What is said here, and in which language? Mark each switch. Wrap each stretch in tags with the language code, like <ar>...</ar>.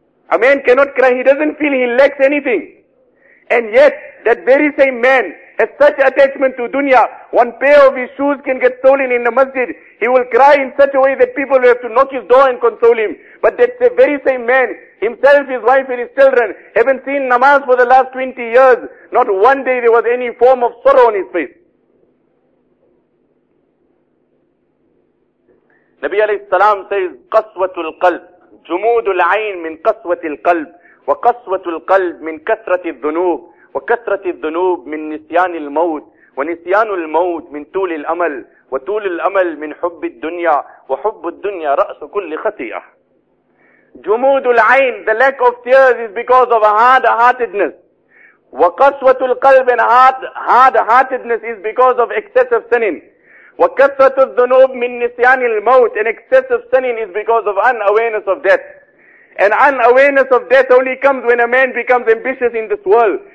<en>A man cannot cry, he doesn't feel he lacks anything. And yet, that very same man has such attachment to dunya, one pair of his shoes can get stolen in the masjid, he will cry in such a way that people will have to knock his door and console him. But that the very same man, himself, his wife and his children, haven't seen namaz for the last 20 years, not one day there was any form of sorrow on his face. Nabi alayhi salam says,</en> <ar>قَصْوَةُ الْقَلْبِ جمود العين من قسوة القلب وقسوة القلب من كثرة الذنوب وكثرة الذنوب من نسيان الموت ونسيان الموت من طول الأمل وطول الأمل من حب الدنيا وحب الدنيا رأس كل خطيئة. جمود العين,</ar> <en>the lack of tears is because of a hard-heartedness.</en> <ar>وقسوة القلب</ar> <en>and hard-heartedness is because of excessive sinning.</en> <ar>وَكَثَّتُ الذُّنُوبِ مِنْ نِسْيَانِ الْمَوْتِ.</ar> <en>An excessive sinning is because of unawareness of death. And unawareness of death only comes when a man becomes ambitious in this world.</en>